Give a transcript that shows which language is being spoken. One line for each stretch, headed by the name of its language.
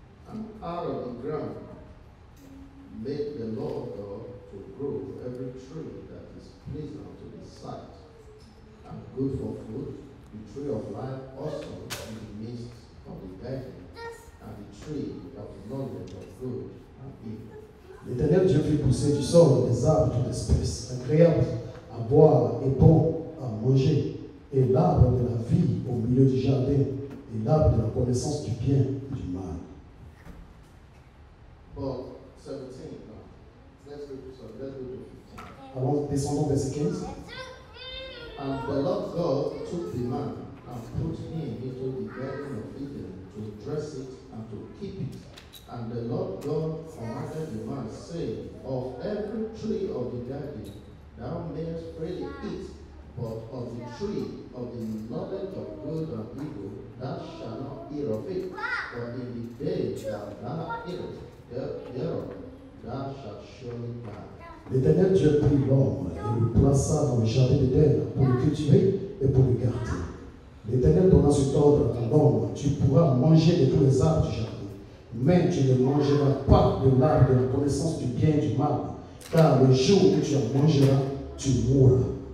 English: And out of the ground made the Lord God to grow every tree that is pleasing unto his sight and good for food. The tree of life also in the midst of the garden, and the tree of knowledge of good and evil.
French: L'Éternel Dieu fit pousser du sol des arbres d'une espèce agréable à boire et bon à manger, et l'arbre de la vie au milieu du jardin, et l'arbre de la connaissance du bien et du mal.
English: But 17. Let's go to 15.
French: Alors descendons verset 15.
English: And the Lord God took the man and put him into the garden of Eden to dress it and to keep it. And the Lord God commanded the man, saying, of every tree of the garden thou mayest freely eat, but of the tree of the knowledge of good and evil thou shalt not eat of it. For in the day that thou eatest thereof, thou shalt surely die.
French: L'Éternel Dieu prit l'homme et le plaça dans le jardin d'Éden pour le cultiver et pour le garder. L'Éternel donna cet ordre à l'homme, tu pourras manger de tous les arbres du jardin, mais tu ne mangeras pas de l'arbre de la connaissance du bien et du mal, car le jour où tu en mangeras, tu mourras.